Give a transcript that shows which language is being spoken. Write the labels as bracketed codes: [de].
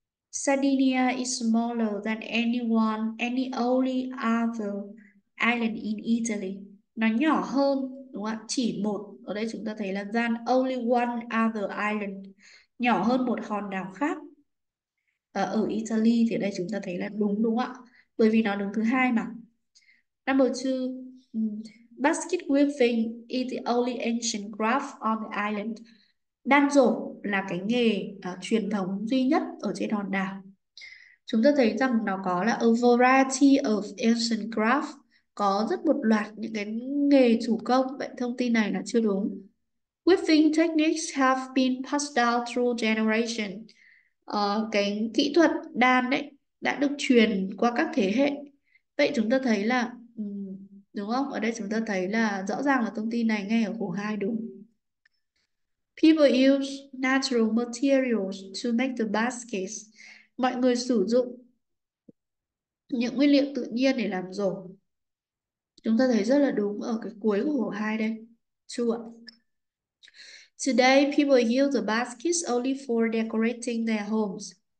[en] Sardinia is smaller than anyone, any only other island in Italy. [vi] Nó nhỏ hơn, đúng không ạ? Chỉ một. Ở đây chúng ta thấy là [en] than only one other island. [vi] Nhỏ hơn một hòn đảo khác. Ở Italy thì đây chúng ta thấy là đúng đúng ạ? Bởi vì nó đứng thứ hai mà. [en] Number two. Basket weaving is the only ancient craft on the island. [vi] Đan rổ là cái nghề truyền thống duy nhất ở trên hòn đảo. Chúng ta thấy rằng nó có là [en] a variety of ancient craft, [vi] có rất một loạt những cái nghề thủ công. Vậy thông tin này là chưa đúng. [en] Weaving techniques have been passed down through generation. [vi] Cái kỹ thuật đan đấy đã được truyền qua các thế hệ. Vậy chúng ta thấy là đúng không? Ở đây chúng ta thấy là rõ ràng là thông tin này ngay ở khổ 2 đúng. [en] People use natural materials to make the baskets. [vi] Mọi người sử dụng những nguyên liệu tự nhiên để làm rổ. Chúng ta thấy rất là đúng ở cái cuối của khổ 2 đây. [en] True. Today, people use the baskets only for decorating their homes.